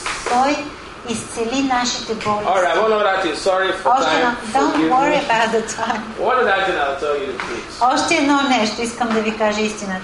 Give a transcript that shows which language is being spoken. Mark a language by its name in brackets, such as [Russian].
[Bulgarian] Той изцели нашите болести. [English] All right, one other thing. Sorry for time. Don't worry about the time. One other thing I'll tell you, please. [Bulgarian] Още едно нещо искам да ви кажа истината.